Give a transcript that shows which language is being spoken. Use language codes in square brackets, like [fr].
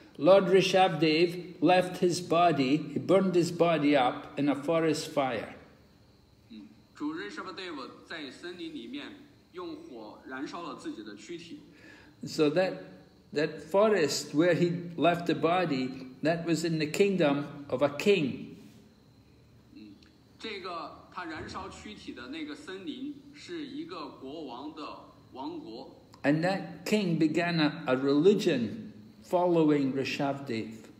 [en] Lord Rishabhdev left his body, he burned his body up in a forest fire. [zh] Guru Rishabhdev 在森林里面用火燃烧了自己的躯体。 [en] So that forest where he left the body, that was in the kingdom of a king. [zh] 这个他燃烧躯体的那个森林是一个国王的王国。 [en] And that king began a religion following Rishabhdev.